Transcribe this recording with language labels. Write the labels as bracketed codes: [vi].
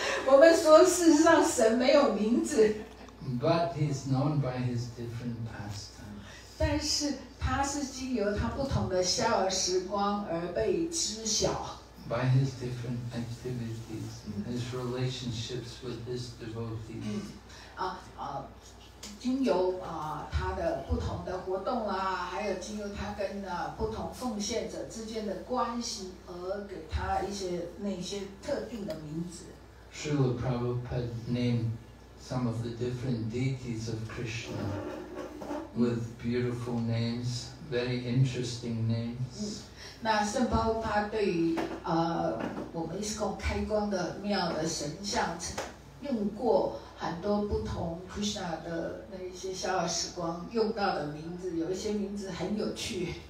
[zh] 我们说事实上神没有名字。 [en] But he's known by his different past. [zh] 但是他是经由他不同的逍遥时光而被知晓。 [en] By his different activities, his relationships with his devotees. [zh] 经由他的不同的活动啦，还有经由他跟不同奉献者之间的关系，而给他一些那些特定的名字。 [en] Srila Prabhupada named some of the different deities of Krishna. With beautiful names, very interesting names. [zh] 那圣巴乌帕对于我们ISKCON开光的庙的神像，用过很多不同 Krishna 的那一些逍遥时光用到的名字，有一些名字很有趣。